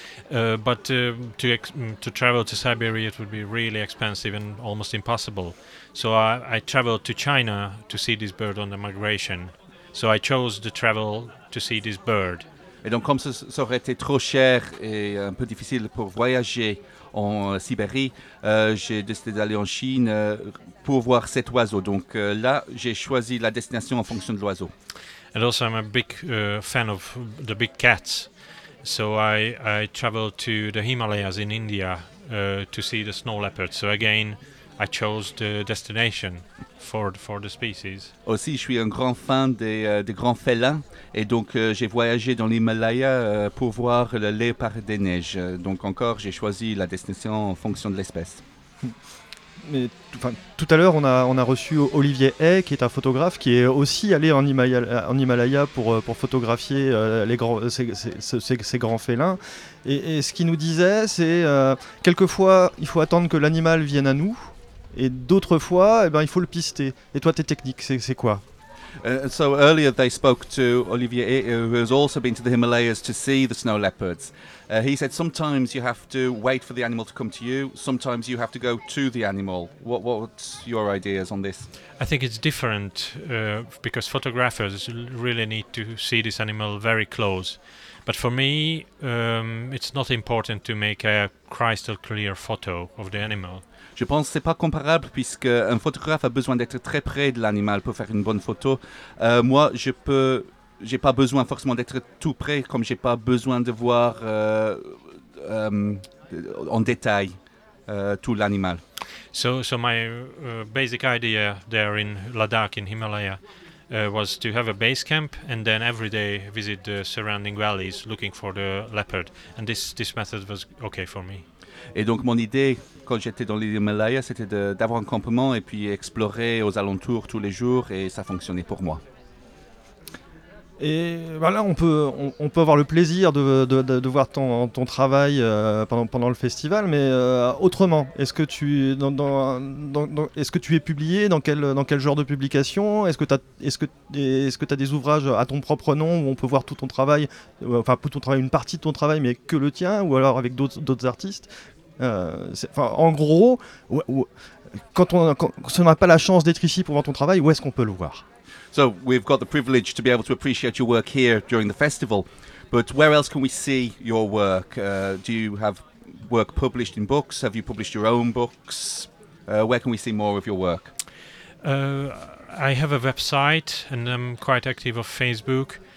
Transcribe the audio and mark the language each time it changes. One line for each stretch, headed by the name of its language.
English: But to travel to Siberia, it would be really expensive and almost impossible. So I traveled to China to see this bird on the migration. So I chose to travel to see this bird.
French: Et donc, comme ça aurait été trop cher et un peu difficile pour voyager en Sibérie, j'ai décidé d'aller en Chine pour voir cet oiseau. Donc là, j'ai choisi la destination en fonction de l'oiseau.
English: And also, I'm a big fan of the big cats. So I traveled to the Himalayas in India to see the snow leopard. So again, I chose the destination for the species.
French: Aussi, je suis un grand fan des grands félins, et donc j'ai voyagé dans l'Himalaya pour voir le léopard des neiges. Donc encore, j'ai choisi la destination en fonction de l'espèce. Mais tout à l'heure, on a reçu Olivier Hay, qui est un photographe, qui est aussi allé en Himalaya pour photographier ces grands félins. Et ce qu'il nous disait, c'est quelquefois, il faut attendre que l'animal vienne à nous. Et d'autres fois, eh ben, il faut le pister. Et toi, tes techniques, c'est quoi?
English: So earlier they spoke to Olivier, who has also been to the Himalayas to see the snow leopards. He said sometimes you have to wait for the animal to come to you, sometimes you have to go to the animal. What's your ideas on this? I think it's different because photographers really need to see this animal very close. But for me, it's not important to make a crystal clear photo of the animal.
French: Je pense que ce n'est pas comparable puisqu'un photographe a besoin d'être très près de l'animal pour faire une bonne photo. Moi, je n'ai pas besoin forcément d'être tout près comme je n'ai pas besoin de voir en détail tout l'animal.
English: So my basic idea there in Ladakh, in Himalaya, was to have a base camp and then every day visit the surrounding valleys looking for the leopard. And this method was okay for me.
French: Et donc mon idée quand j'étais dans l'Himalaya, c'était d'avoir un campement et puis explorer aux alentours tous les jours, et ça fonctionnait pour moi. Et voilà, on peut avoir le plaisir de voir ton travail pendant le festival, mais autrement, est-ce que tu es publié dans quel genre de publication? Est-ce que tu as des ouvrages à ton propre nom où on peut voir tout ton travail, enfin tout ton travail, une partie de ton travail, mais que le tien, ou alors avec d'autres artistes? En gros, quand on n'a pas la chance d'être ici pour voir ton travail, où est-ce qu'on peut le voir?
English: So we've got the privilege to be able to appreciate your work here during the festival, but where else can we see your work? Do you have work published in books? Have you published your own books? Where can we see more of your work? I have a website and I'm quite active on Facebook.